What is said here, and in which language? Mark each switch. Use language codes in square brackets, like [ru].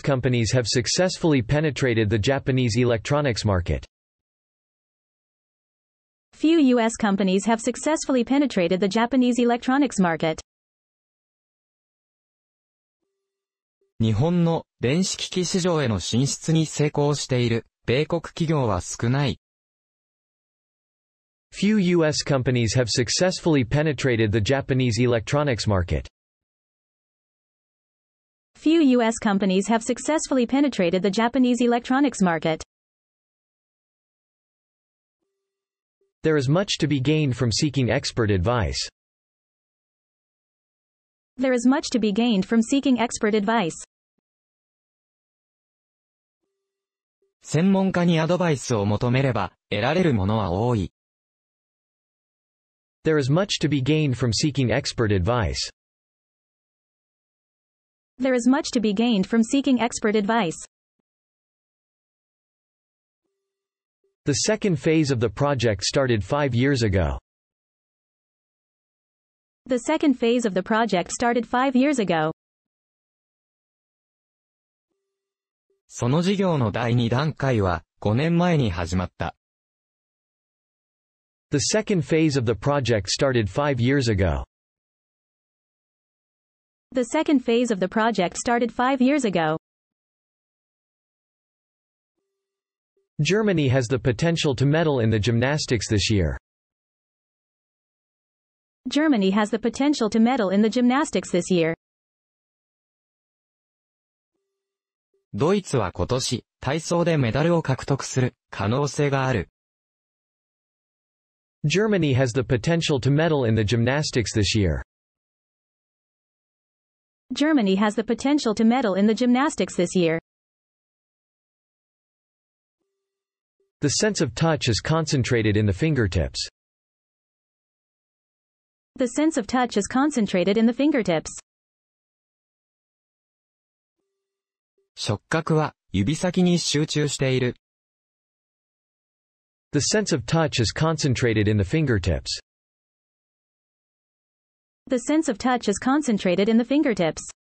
[en] companies have successfully penetrated the Japanese electronics market. Few U.S. companies have successfully penetrated the Japanese electronics market. [ja] 日本の電子機器市場への進出に成功している米国企業は少ない。 [en] Few U.S. companies have successfully penetrated the Japanese electronics market. Few U.S. companies have successfully penetrated the Japanese electronics market. There is much to be gained from seeking expert advice. There is much to be gained from seeking expert advice. [ja] 専門家にアドバイスを求めれば、得られるものは多い。 [en] There is much to be gained from seeking expert advice. There is much to be gained from seeking expert advice. The second phase of the project started 5 years ago. The second phase of the project started 5 years ago. [ja] その事業の第二段階は5年前に始まった。 [en] The second phase of the project started 5 years ago. The second phase of the project started 5 years ago. Germany has the potential to medal in the gymnastics this year. Germany has the potential to medal in the gymnastics this year. [ja] ドイツは今年、体操でメダルを獲得する可能性がある。 [en] Germany has the potential to medal in the gymnastics this year. Germany has the potential to medal in the gymnastics this year. The sense of touch is concentrated in the fingertips. The sense of touch is concentrated in the fingertips. [ja] 触覚は指先に集中している。 [en] The sense of touch is concentrated in the fingertips. The sense of touch is concentrated in the fingertips.